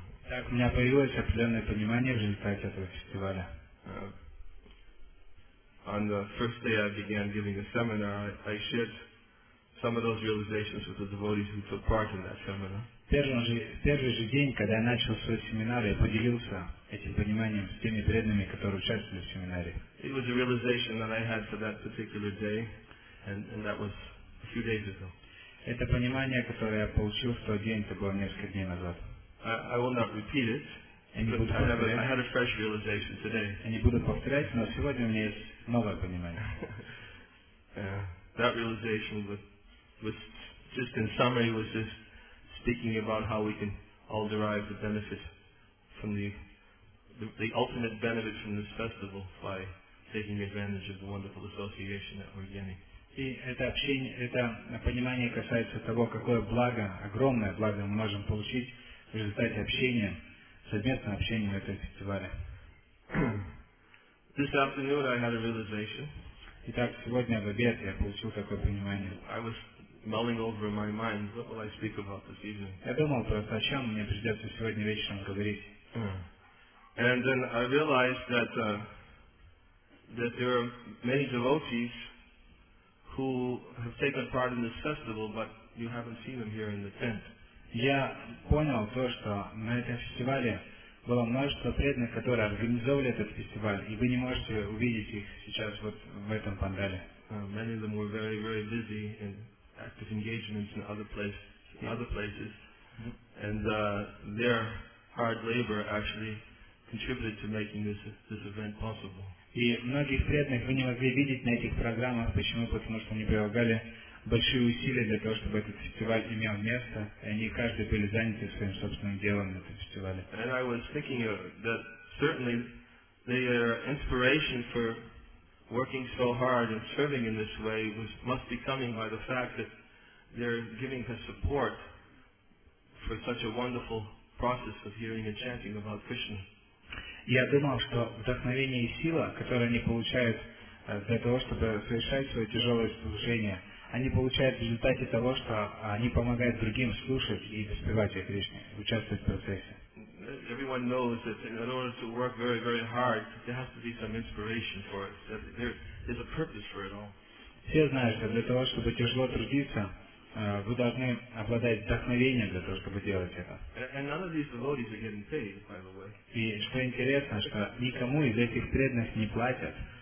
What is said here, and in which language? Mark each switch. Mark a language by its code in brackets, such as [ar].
[ru] Так, у меня появилось определенное понимание в результате этого фестиваля. [en] On the first day I began giving a seminar, I shared some of those realizations with the devotees who took part in that seminar. [ru] В первый же день, когда я начал свой семинар, я поделился этим пониманием с теми преданными, которые участвовали в семинаре. [en] It was a realization that I had for that particular day, and that was a few days ago. [ru] Это понимание, которое я получил в тот день, это было несколько дней назад. [en] I will not repeat it. I had a fresh realization today. [ru] Я не буду повторять, но сегодня у меня есть новое понимание. [en] That realization was just in summary was just speaking about how we can all derive the benefit from the ultimate benefit from this festival by taking advantage of the wonderful association that we're getting. [ru] И это общение, это понимание касается того, какое благо, огромное благо мы можем получить в результате общения, совместного общения на этом фестивале. [en] This afternoon I had a realization. [ru] Итак, сегодня в обед я получил такое понимание. [en] I was mulling over my mind, what will I speak about this evening? [ru] Я думал просто, о чем мне придется сегодня вечером говорить. [en] And then I realized that there are many devotees who have taken part in this festival, but you haven't seen them here in the tent. [ru] Я понял то, что на этом фестивале было множество преданных, которые организовали этот фестиваль, и вы не можете увидеть их сейчас вот в этом пандале. [en] Many of them were very, very busy in active engagements in other places, and their hard labor actually contributed to making this event possible. [ru] И многих преданных вы не могли видеть на этих программах. Почему? Потому что они прилагали большие усилия для того, чтобы этот фестиваль имел место. И они каждый были заняты своим собственным делом на этом фестивале. [en] And I was thinking that certainly the inspiration for working so hard and serving in this way must be coming by the fact that they're giving the support for such a wonderful process of hearing and chanting about Krishna. [ru] Я думал, что вдохновение и сила, которые они получают для того, чтобы совершать свое тяжелое служение, они получают в результате того, что они помогают другим слушать и воспевать о Кришне, участвовать в процессе. [en] Everyone knows that in order to work very, very hard, there has to be some inspiration for it. There is a purpose for it all. [ru] Все знают, что для того, чтобы тяжело трудиться, вы должны обладать вдохновением для того, чтобы делать это. [en] And none of these devotees are getting paid, by the way. [ru] И что интересно, что никому из этих преданных не платят.